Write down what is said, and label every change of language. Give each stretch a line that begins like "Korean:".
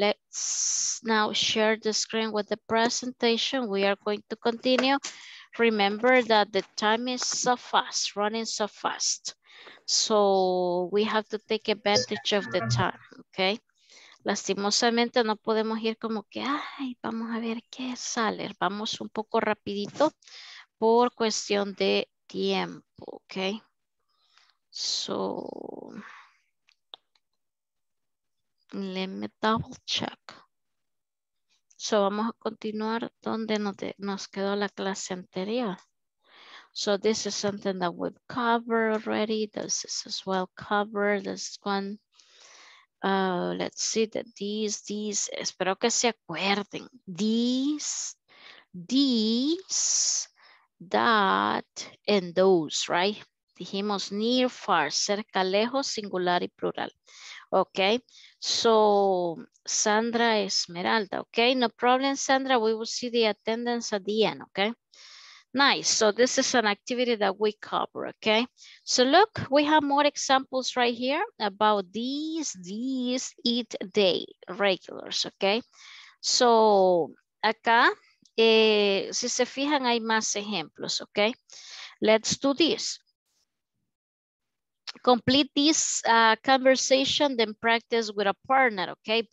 English: Let's now share the screen with the presentation. We are going to continue. Remember that the time is so fast, running so fast. So we have to take advantage of the time, okay?
Spanish: Lastimosamente no podemos ir como que, ay, vamos a ver qué sale. Vamos un poco rapidito por cuestión de tiempo, okay?
English: So, let me double check.
Spanish: So, vamos a continuar donde nos quedó la clase anterior.
English: So, this is something that we've covered already. This is as well covered. This one. Let's see that these,
Spanish: espero que se acuerden.
English: These, that, and those, right?
Spanish: Dijimos near, far, cerca, lejos, singular y plural.
English: Ok, so Sandra Esmeralda, ok, no problem Sandra, we will see the attendance at the end, ok. Nice, so this is an activity that we cover, ok. So look, we have more examples right here about these, eat, they, regulars, ok.
Spanish: So acá, si se fijan hay más ejemplos, ok.
English: Let's do this. Complete this conversation, then practice with a partner, okay?